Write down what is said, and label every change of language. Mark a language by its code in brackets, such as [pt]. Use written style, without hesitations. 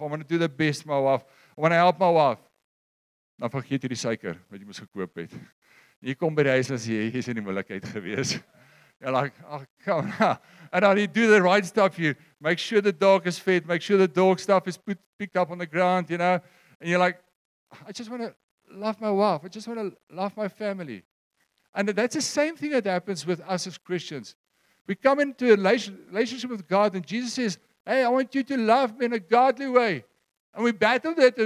[en] I want to do the best for my wife. I want to help my wife. [af] Dan vergeet jy die suiker wat jy moes gekoop het. Jy kom by die huis en sê, jy is in die moeilikheid gewees. [en] You're like, oh, come on. And then you do the right stuff here. Make sure the dog is fed. Make sure the dog stuff is picked up on the ground, you know. And you're like, I just want to love my wife. I just want to love my family. And that's the same thing that happens with us as Christians. We come into a relationship with God and Jesus says, hey, I want you to love me in a godly way. And we battle that.